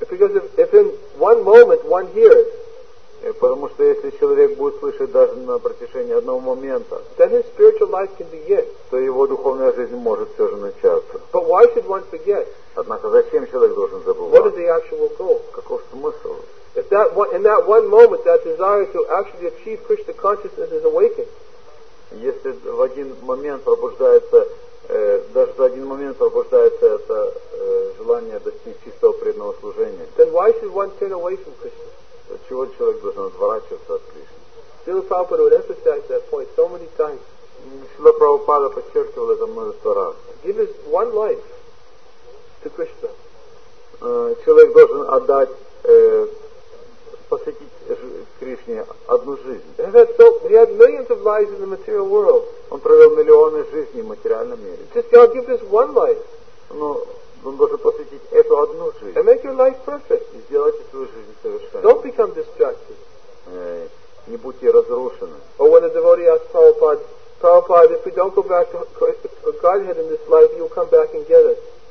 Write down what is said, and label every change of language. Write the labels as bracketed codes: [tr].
[en] Because if in one moment one hears, [ru] потому что если человек будет слышать даже на протяжении одного момента, [en] then his spiritual life can begin. [ru] То его духовная жизнь может все же начаться. [en] But why should one forget? [ru] Однако зачем человек должен забывать? [en] What is the actual goal? [ru] Каков смысл? [en] If that one, in that one moment, that desire to actually achieve Krishna consciousness is awakened. [ru] Если в один момент пробуждается, даже за один момент пробуждается это желание достичь чистого преданного служения. [en] Then why should one turn away from Krishna? [ru] От чего человек должен отворачиваться от Кришны? [en] Srila Prabhupada would emphasize that point so many times. [ru] Srila Prabhupada подчеркивал это множество раз. [en] Give his one life to Krishna. [ru] человек должен отдать, посвятить Кришне одну жизнь. [en] He had millions of lives in the material world. [ru] Он провел миллионы жизней в материальном мире. [en] Just I'll give this one life. [ru] Но он должен посвятить эту одну жизнь. [en] And make your life perfect. [ru] И сделайте свою жизнь совершенной. [en] Don't become distracted. [ru] Не будьте разрушены. [en] Or when a devotee asked Prabhupada, Prabhupada, if we don't go back to Godhead in this life, you'll come back and get it.